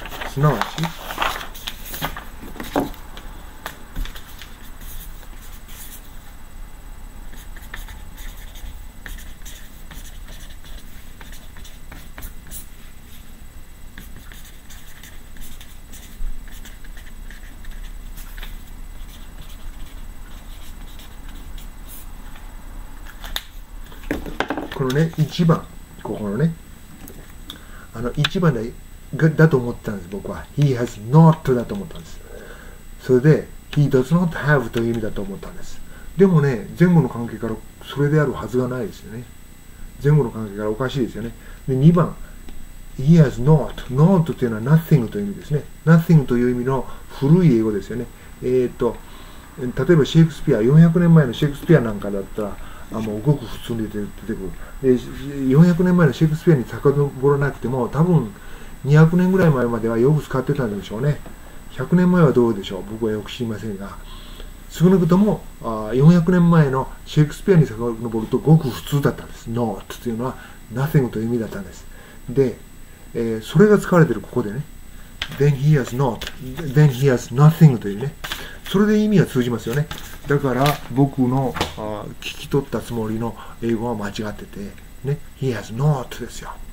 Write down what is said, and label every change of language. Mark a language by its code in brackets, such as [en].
[ja] すなわち、このね、1番、ここのね、あの1番だと思ったんです、僕は。 [en] He has not [ja] だと思ったんです。それで、 [en] He does not have [ja] という意味だと思ったんです。でもね、前後の関係からそれであるはずがないですよね。前後の関係からおかしいですよね。で、2番、 [en] He has not。 [ja] not というのは nothing という意味ですね。nothing という意味の古い英語ですよね。例えばシェイクスピア、400年前のシェイクスピアなんかだったら、あ、もうごく普通に出てくる。で、400年前のシェイクスピアに遡らなくても、多分200年ぐらい前まではよく使ってたんでしょうね。 100年前はどうでしょう。僕はよく知りませんが。少なくとも、400年前のシェイクスピアに遡るとごく普通だったんです。 not というのは nothing という意味だったんです。で、それが使われているここでね。 [en] then he has not, then he has nothing というね。 [ja] それで意味は通じますよね。だから僕の聞き取ったつもりの英語は間違ってて、ね、 [en] He has not [ja] ですよ。